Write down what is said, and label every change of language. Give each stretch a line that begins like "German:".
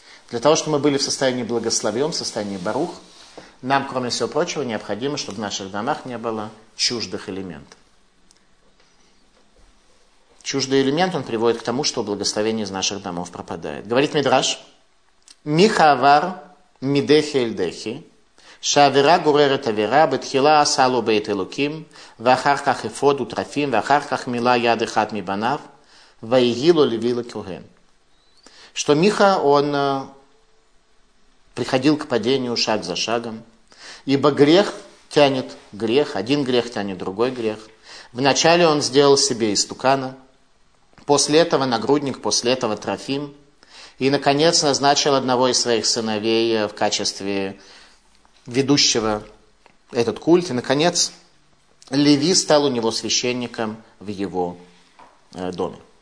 Russian: Для того, чтобы мы были в состоянии благословен, в состоянии барух, нам, кроме всего прочего, необходимо, чтобы в наших домах не было чуждых элементов. Чуждый элемент, он приводит к тому, что благословение из наших домов пропадает. Говорит Мидраш,
Hebrew: Михавар мидехи эльдехи, שהאווירה גוררת אווירה, בתחילה עשה לו בית אלוקים, ואחר כך אפוד וטרפים, ואחר כך מילא יד אחד מבניו, ויהי לו לוי לכהן.
Russian: Что Миха, он приходил к падению шаг за шагом, ибо грех тянет грех, один грех тянет другой грех. Вначале он сделал себе истукана, после этого нагрудник, после этого трофим, и, наконец, назначил одного из своих сыновей в качестве ведущего этот культ, и, наконец, Леви стал у него священником в его доме.